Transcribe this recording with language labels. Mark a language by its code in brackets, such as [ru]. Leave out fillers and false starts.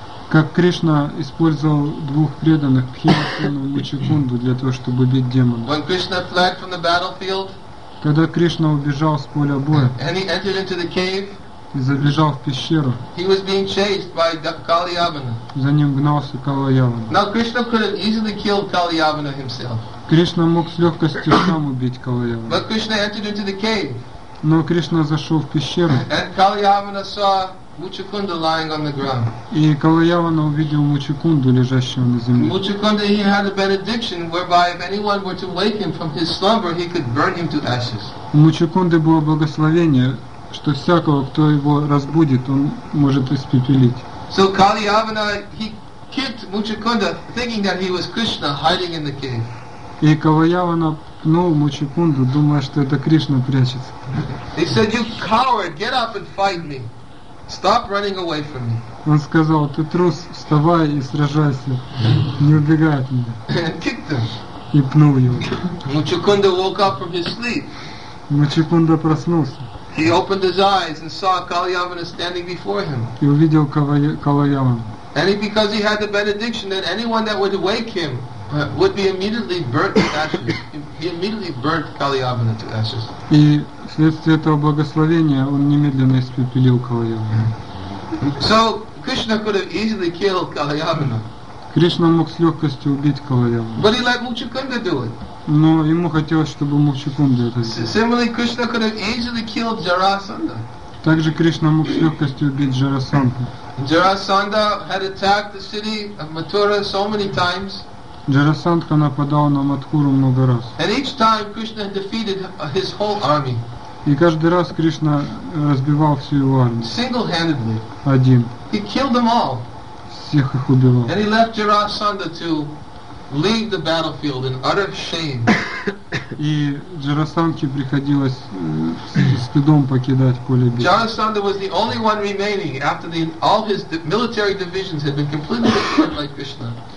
[ru] Как Кришна использовал двух преданных, Бхимасену и Мучакунду, для того, чтобы убить демона. [en] When Krishna fled from the battlefield, [ru] когда Кришна убежал с поля боя, [en] and he entered into the cave, [ru] и забежал в пещеру, [en] he was being chased by Kaliyavana. [ru] За ним гнался Калиявана. [en] Now Krishna could have easily killed Kaliyavana himself. [ru] Кришна мог с легкостью сам убить Калиявана. [en] But Krishna entered into the cave. [ru] Но Кришна зашел в пещеру, [en] and Kaliyavana saw Muchukunda lying on the ground. [ru] И Калаявана увидел Мучакунду, лежащего на земле. [en] Muchukunda, he had a benediction whereby if anyone were to wake him from his slumber, he could burn him to ashes. [ru] У Мучакунды было благословение, что всякого, кто его разбудит, он может испепелить. [en] So Kaliyavana, he kicked Muchukunda, thinking that he was Krishna hiding in the cave. [ru] И Калаявана новому секунду, думая, что это Кришна прячется. [en] He said, you coward, get up and fight me. Stop running away from me. [ru] Он сказал, ты трус, вставай и сражайся, не убегай от меня. [en] And kicked him. [ru] И пнул его. [en] Мучикунда woke up from his sleep. [ru] Мучикунда проснулся. [en] He opened his eyes and saw Kalyavana standing before him. [ru] И увидел Калаяману. [en] And because he had the benediction that anyone that would wake him would be immediately burnt to ashes. He immediately burnt Kalyavana to ashes. [ru] И вследствие этого благословения он немедленно испепелил Калаяну. [en] So Krishna could have easily killed Kalyavana. [ru] Кришна мог с легкостью убить Калаяну. [en] But he let Мучикунда do it. [ru] Но ему хотелось, чтобы Мучикунда это сделал. [en] Similarly, Krishna could have easily killed Jarasandha. [ru] Также Кришна мог с легкостью убить Джарасанду. [en] Jarasandha had attacked the city of Mathura so many times. [ru] Джарасандха нападал на Матхуру много раз. [en] And each time Krishna defeated his whole army. [ru] И каждый раз Кришна разбивал всю его армию. [en] Single-handedly. [ru] Один. [en] He killed them all. [ru] Всех их убивал. [en] And he left Jarasandha to leave the battlefield in utter shame. [ru] И Джарасандхе приходилось с стыдом покидать поле битвы. [en] Jarasandha was the only one remaining after all his military divisions had been completely destroyed by Krishna.